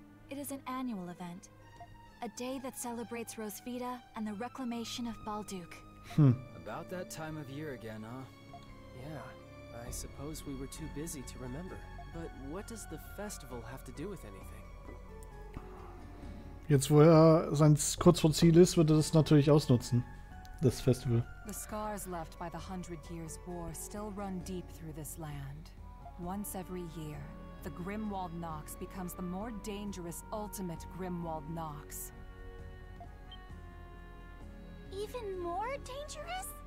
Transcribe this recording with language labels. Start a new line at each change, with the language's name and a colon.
English: It is an annual event, a day that celebrates Rosvita and the reclamation of Balduq. About that time of year again, huh? Yeah, I suppose we were too busy to remember. But what does the festival have to do with anything?
German: Jetzt, wo er sein kurz vor Ziel ist, wird er das natürlich ausnutzen.
English: this festival. The scars left by the Hundred Years' War still run deep through this land. Once every year, the Grimwald Nox becomes the more dangerous ultimate Grimwald Nox. Even more dangerous?